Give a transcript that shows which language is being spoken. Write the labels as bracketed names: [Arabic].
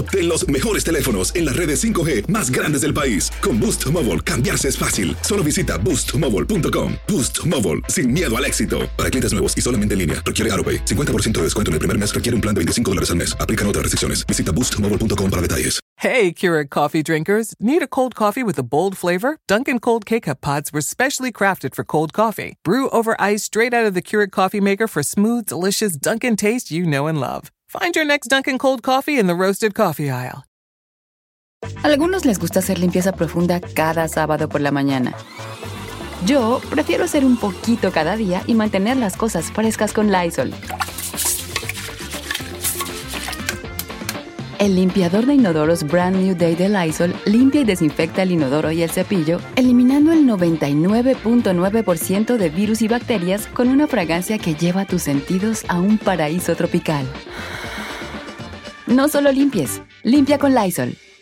[Spanish] Obtén los mejores teléfonos en las redes 5G más grandes del país. Con Boost Mobile, cambiarse es fácil. Solo visita BoostMobile.com. Boost Mobile, sin miedo al éxito. Para clientes nuevos y solamente en línea, requiere AutoPay. 50% de descuento en el primer mes requiere un plan de $25 al mes. Aplican otras restricciones. Visita Boost Mobile. [English] Hey, Keurig coffee drinkers. Need a cold coffee with a bold flavor? Dunkin' Cold K-Cup Pods were specially crafted for cold coffee. Brew over ice straight out of the Keurig coffee maker for smooth, delicious Dunkin' taste you know and love. Find your next Dunkin' Cold coffee in the roasted coffee aisle. [Spanish] Algunos les gusta hacer limpieza profunda cada sábado por la mañana. Yo prefiero hacer un poquito cada día y mantener las cosas frescas con Lysol. El limpiador de inodoros Brand New Day de Lysol limpia y desinfecta el inodoro y el cepillo, eliminando el 99.9% de virus y bacterias con una fragancia que lleva tus sentidos a un paraíso tropical. No solo limpies, limpia con Lysol.